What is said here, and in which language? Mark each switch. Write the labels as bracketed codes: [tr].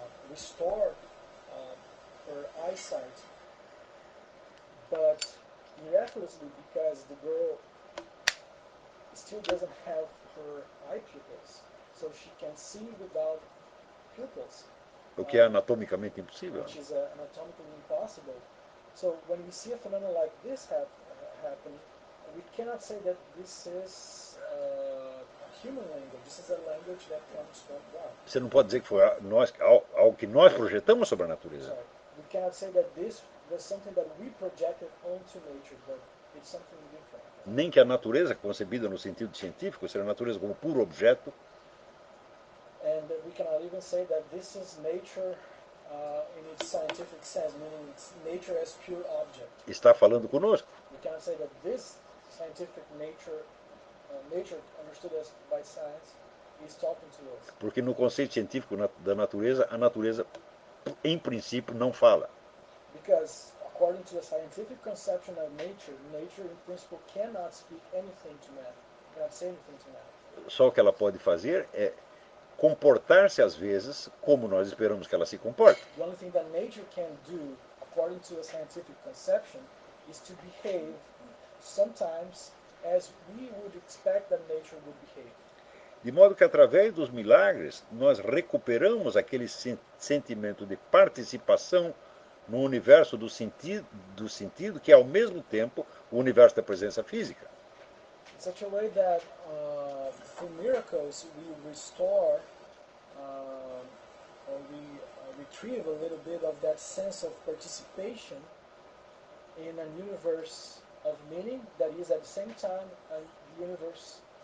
[en] restored her eyesight, but miraculously, because the girl still doesn't have her eye pupils, so she can see without pupils. [pt] O que é anatomicamente impossível. [en] Which is anatomically impossible. So when we see a phenomenon like this happen, we cannot say that this is human language. This is a language that comes from God. [pt] Você não pode dizer que foi nós, algo que nós projetamos sobre a natureza. [en] Sorry. We cannot say that this was something that we projected onto nature, but it's something different. [pt] Nem que a natureza concebida no sentido científico seja a natureza como puro objeto. [en] And we cannot even say that this is nature in its scientific sense, meaning it's nature as pure object. [pt] Está falando conosco. [en] We cannot say that this scientific nature, nature understood as by science, is talking to us. [pt] Porque no conceito científico da natureza, a natureza em princípio não fala. [en] Because according to the scientific conception of nature, nature in principle cannot speak anything to man, cannot say anything to man. [pt] Só o que ela pode fazer é comportar-se às vezes como nós esperamos que ela se comporte. [en] The only thing that nature can do according to a scientific conception is to behave sometimes as we would expect that nature would behave. [pt] De modo que, através dos milagres, nós recuperamos aquele sentimento de participação no universo do sentido que é, ao mesmo tempo, o universo da presença física. [en] In such a way that, through miracles, we restore, or we retrieve a little bit of that sense of participation in an universe of meaning that is, at the same time, a universe